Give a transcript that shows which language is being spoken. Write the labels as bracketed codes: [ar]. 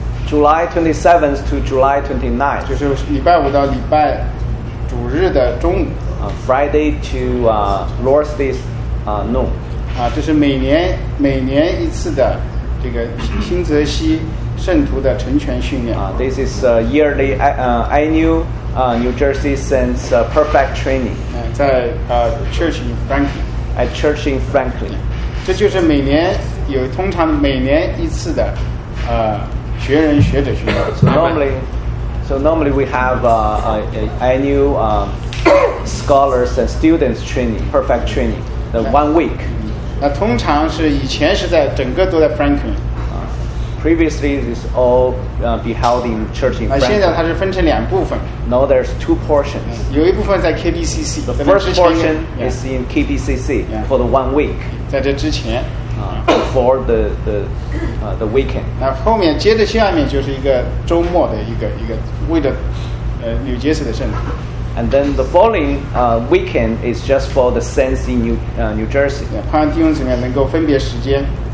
[en] July 27th to July 29th. [zh] 就是礼拜五到礼拜主日的中午。 [en] Friday to Lord's Day noon. [zh] 这是每年一次的这个新泽西圣徒的成全训练。 [en] This is a yearly annual New Jersey Saints perfect training. [zh] 在Church in Franklin. [en] At Church in Franklin. [zh] 这就是每年有通常每年一次的学人学者训练。 [en] So normally we have an annual scholars and students training, perfect training, the 1 week. [zh] 那通常是以前是在整个都在 Franklin. [en] Previously it's all be held in church in Franklin. [zh] 现在它是分成两部分。 [en] Now there's two portions. [zh] 有一部分在 KBCC. [en] The first portion is in KBCC for the 1 week. [zh] 在这之前。 [en] Before the weekend. [zh] 那后面接着下面就是一个周末的一个为了New Jersey的圣徒。 [en] And then the following weekend is just for the saints in New Jersey. [zh] 盼望弟兄姊妹能够分别时间。